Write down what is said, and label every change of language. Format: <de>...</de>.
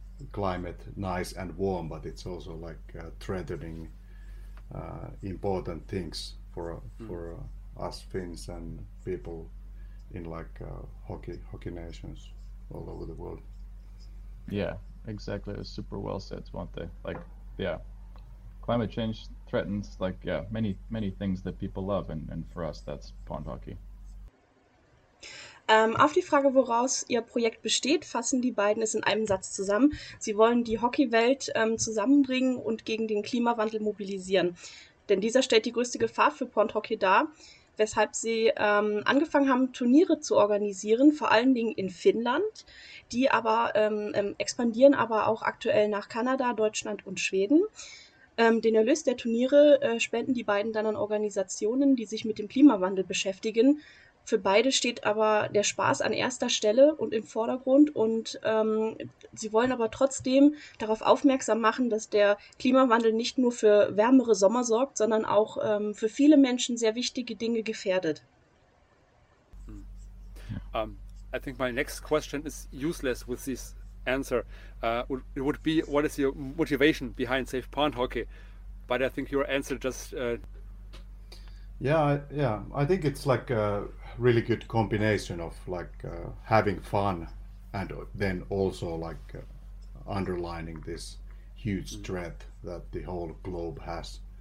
<en>climate nice and warm, but it's also like threatening important things for us Finns and people in like hockey nations all over the world. Yeah, exactly. It was super well said, Svante. Like, yeah, climate change threatens like many things that people love, and for us that's pond hockey.</en> <de>Auf die Frage, woraus ihr Projekt besteht, fassen die beiden es in einem Satz zusammen. Sie wollen die Hockeywelt zusammenbringen und gegen den Klimawandel mobilisieren. Denn dieser stellt die größte Gefahr für Pondhockey dar, weshalb sie angefangen haben, Turniere zu organisieren, vor allen Dingen in Finnland. Die aber expandieren aber auch aktuell nach Kanada, Deutschland und Schweden. Den Erlös der Turniere spenden die beiden dann an Organisationen, die sich mit dem Klimawandel beschäftigen. Für beide steht aber der Spaß an erster Stelle und im Vordergrund, und sie wollen aber trotzdem darauf aufmerksam machen, dass der Klimawandel nicht nur für wärmere Sommer sorgt, sondern auch für viele Menschen sehr wichtige Dinge gefährdet.</de> <en>I think my next question is useless with this answer. It would be, what is your motivation behind Safe Pond Hockey? But I think your answer just... I think it's like a really good combination of like having fun and then also like underlining this huge threat that the whole globe has.</en>